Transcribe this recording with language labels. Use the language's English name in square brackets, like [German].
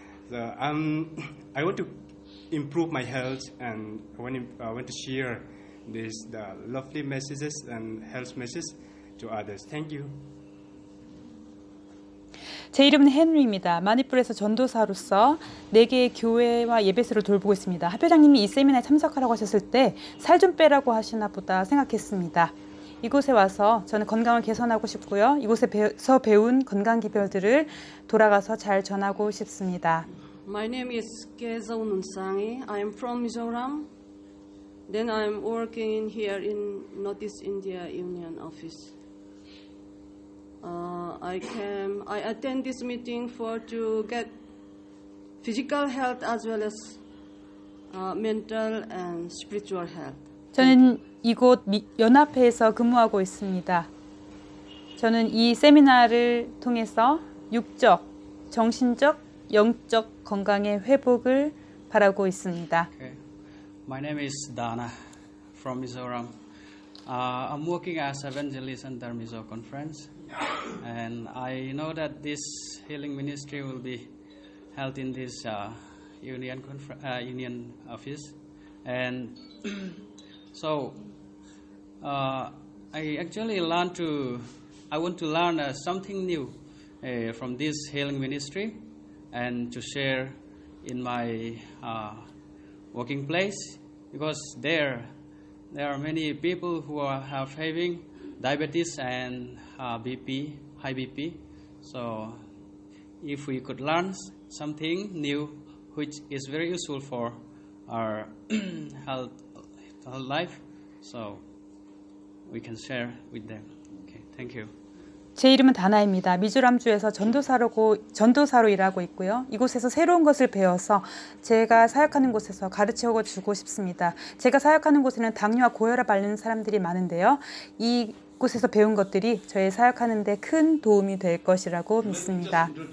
[English] So I want to improve my health, and I want to share the lovely messages and health messages to others. Thank you. [Korean] 제 이름은 헨리입니다. 마니풀에서 전도사로서 네 개의 교회와 예배소를 돌보고 있습니다. 합회장님이 이 세미나에 참석하라고 하셨을 때 살 좀 빼라고 하시나 보다 생각했습니다. 이곳에 와서 저는 건강을 개선하고 싶고요. 이곳에서 배운 건강 기별들을 돌아가서 잘 전하고 싶습니다. [English] My name is Geza Ununsangi. I am from Mizoram. Then I'm working here in Northeast India Union office. I attend this meeting for to get physical health as well as mental and spiritual health. [Korean] 저는 이곳 연합회에서 근무하고 있습니다. 저는 이 세미나를 통해서 육적, 정신적, 영적 건강의 회복을 바라고 있습니다. [English] Okay. My name is Dana from Mizoram. I'm working as evangelist at the Mizoram conference. And I know that this healing ministry will be held in this union union office, and so I actually learned to. I want to learn something new from this healing ministry, and to share in my working place, because there are many people who are having diabetes and BP, high BP. So if we could learn something new, which is very useful for our health life, so we can share with them. Okay, thank you. [Korean] 제 이름은 다나입니다. 미주람주에서 전도사로 일하고 있고요. 이곳에서 새로운 것을 배워서 제가 사역하는 곳에서 가르쳐 주고 싶습니다. 제가 사역하는 곳에는 당뇨와 고혈압 앓는 사람들이 많은데요. 이곳에서 배운 것들이 저의 사역하는 데 큰 도움이 될 것이라고 믿습니다.